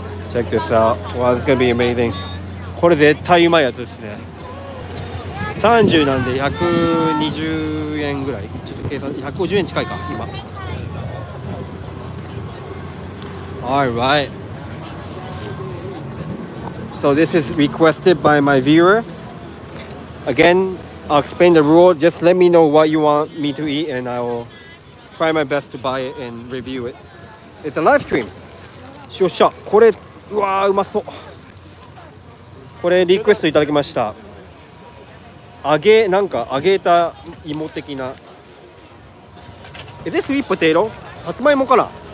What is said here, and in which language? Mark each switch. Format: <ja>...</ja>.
<en>Check this out. Wow, this is going to be amazing.</en> <ja>これ絶対うまいやつですね。30なんで120円ぐらい、ちょっと計算、150円近いか今。</ja> <en>Alright. So this is requested by my viewer. Again, I'll explain the rule. Just let me know what you want me to eat and I will try my best to buy it and review it. It's a live stream.</en> <ja>よっしゃ、これ、うわー、うまそう。これリクエストいただきました。揚げ、なんか揚げた芋的な。</ja> <en>Is this sweet potato?</en> <ja>さつまいもかな。</ja>